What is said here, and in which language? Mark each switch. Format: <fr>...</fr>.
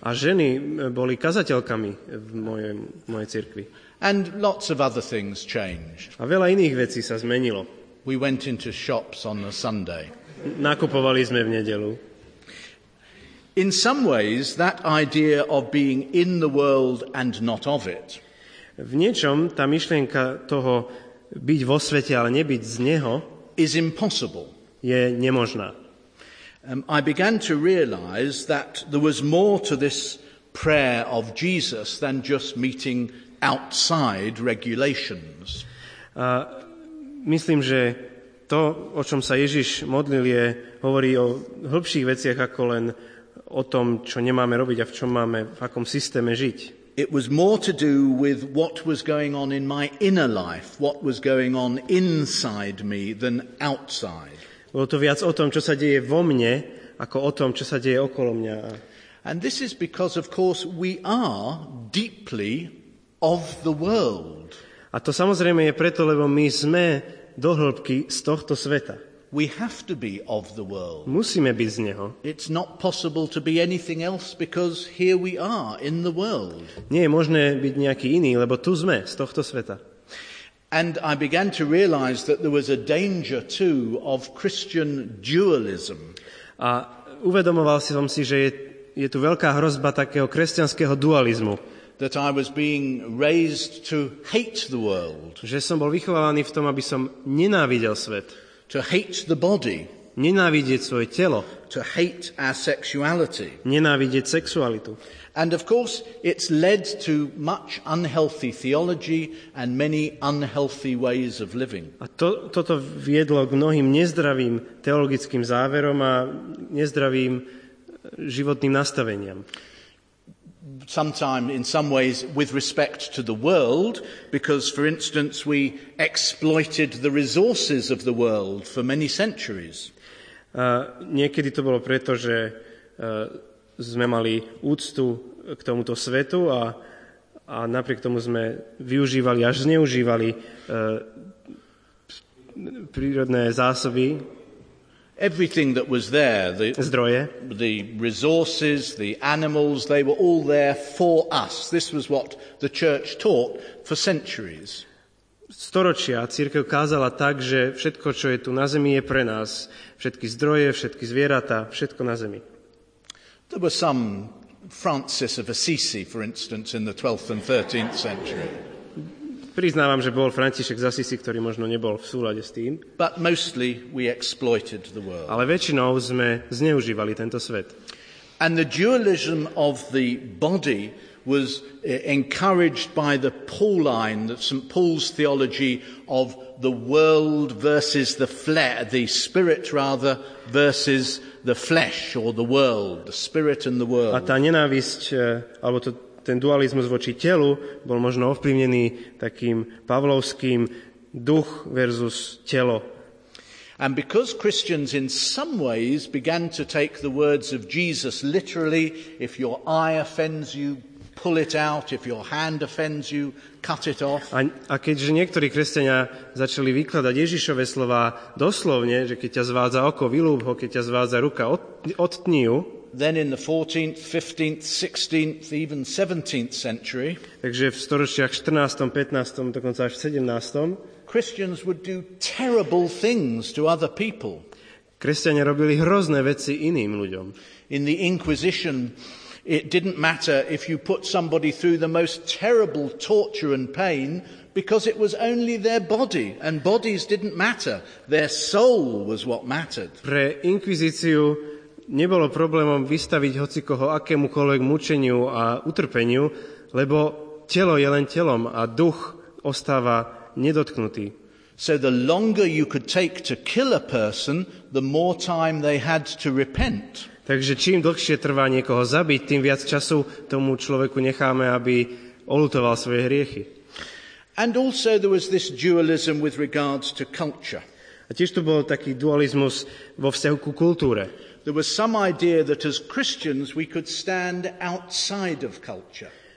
<sk>A ženy boli kazateľkami v mojej cirkvi.</sk> <en>And lots of other things changed.</en> <sk>A veľa iných vecí sa zmenilo.</sk> <en>We went into shops on a Sunday.</en> <sk>Nakupovali sme v nedeľu.</sk> <en>In some ways that idea of being in the world and not of it.</en> <sk>V niečom tá myšlienka toho byť vo svete, ale nebyť z neho</sk> <en>is impossible.</en> <sk>Je nemožná.</sk> <en>I began to realize that there was more to this prayer of Jesus than just meeting outside regulations.</en> <sk>Myslím, že to, o čom sa Ježiš modlil, je, hovorí o hĺbších veciach, ako len o tom, čo nemáme robiť a v čom máme, v akom systéme žiť.</sk> <en>It was more to do with what was going on in my inner life, what was going on inside me than outside.</en> <sk>Bolo to viac o tom, čo sa deje vo mne, ako o tom, čo sa deje okolo mňa.</sk> <en>And this is because, of course, we are deeply of the world.</en> <sk>A to samozrejme je preto, lebo my sme do hĺbky z tohto sveta.</sk> <en>We have to be of the world.</en> <sk>Musíme byť z neho.</sk> <en>It's not possible to be anything else because here we are in the world.</en> <sk>Nie je možné byť nejaký iný, lebo tu sme z tohto sveta.</sk> <en>And I began to realize that there was a danger too of Christian dualism.</en> <sk>A uvedomoval som si, že je tu veľká hrozba takého kresťanského dualizmu.</sk> <en>That I was being raised to hate the world.</en> <sk>Že som bol vychovávaný v tom, aby som nenávidel svet.</sk> <en>To hate the body.</en> <sk>Nenávidieť svoje telo.</sk> <en>To hate our sexuality.</en> <sk>Nenávidieť sexualitu.</sk> <en>And of course, it's led to much unhealthy theology and many unhealthy ways of living.</en> <sk>A toto viedlo k mnohým nezdravým teologickým záverom a nezdravým životným nastaveniam.</sk> <en>Sometimes in some ways with respect to the world, because for instance we exploited the resources of the world for many centuries.</en> <sk>Niekedy to bolo preto, že sme mali úctu k tomuto svetu a napriek tomu sme využívali až zneužívali prírodné zásoby.</sk> <en>Everything that was there, the resources, the animals, they were all there for us. This was what the church taught for centuries.</en> <sk>Storočia cirkev kázala tak, že všetko, čo je tu na zemi, je pre nás. Všetky zdroje, všetky zvieratá, všetko na zemi.</sk> <en>There was some Francis of Assisi, for instance, in the 12th and 13th century.</en> <sk>Priznávam, že bol František z Assisi, ktorý možno nebol v súlade s tým.</sk> <en>But mostly we exploited the world.</en> <sk>Ale väčšinou sme zneužívali tento svet.</sk> <en>And the dualism of the body was encouraged by the Pauline, that St. Paul's theology of the world versus the flesh, the spirit rather versus the flesh or the world, the spirit and the world.</en> <sk>A tá nenávisť, alebo to, ten dualizmus voči telu bol možno ovplyvnený takým pavlovským duch versus telo.</sk> <en>And because Christians in some ways began to take the words of Jesus literally, if your eye offends you, pull it out, if your hand offends you, cut it off.</en> <sk>A keďže niektorí kresťania začali vykladať Ježišove slova doslovne, že keď ťa zvádza oko, vylúb ho, keď ťa zvádza ruka, odtni ju.</sk> <en>Then in the 14th, 15th, 16th, even 17th century.</en> <sk>Takže v storočiach 14., 15., dokonca až v 17.</sk> <en>Christians would do terrible things to other people.</en> <sk>Kresťania robili hrozné veci iným ľuďom.</sk> <en>In the Inquisition, it didn't matter if you put somebody through the most terrible torture and pain because it was only their body, and bodies didn't matter. Their soul was what mattered.</en> <sk>Pre inkvizíciu nebolo problémom vystaviť hocikoho akémukoľvek mučeniu a utrpeniu, lebo telo je len telom a duch ostáva nedotknutý.</sk> <en>So the longer you could take to kill a person, the more time they had to repent.</en> <sk>Takže čím dlhšie trvá niekoho zabiť, tým viac času tomu človeku necháme, aby oľutoval svoje hriechy.</sk> <en>And also there was this dualism with regards to culture.</en> <sk>A tiež tu bol taký dualizmus vo vzťahu ku kultúre.</sk> <en>There was some idea that as Christians we could stand outside of culture.</en>